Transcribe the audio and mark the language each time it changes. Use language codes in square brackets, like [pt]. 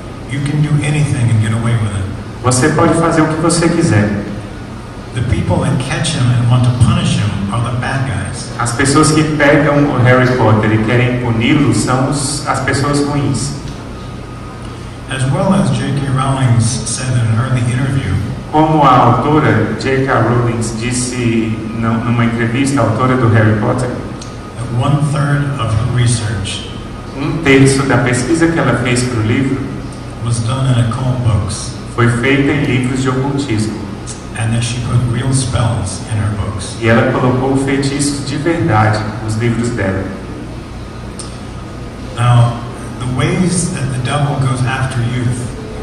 [en] You can do anything and get away with it. [pt] Você pode fazer o que você quiser. [en] The people that catch him and want to punish him are the bad guys. [pt] As pessoas que pegam o Harry Potter e querem puni-lo são as pessoas ruins. [en] As well as J.K. Rowling said in her interview. [pt] Como a autora J.K. Rowling disse numa entrevista, a autora do Harry Potter, [en] one third of her research, [pt] um terço da pesquisa que ela fez para o livro, [en] was done in occult books, [pt] foi feita em livros de ocultismo, [en] and that she put real spells in her books, [pt] e ela colocou feitiços de verdade nos livros dela. [en] Now, the ways that the devil goes after youth.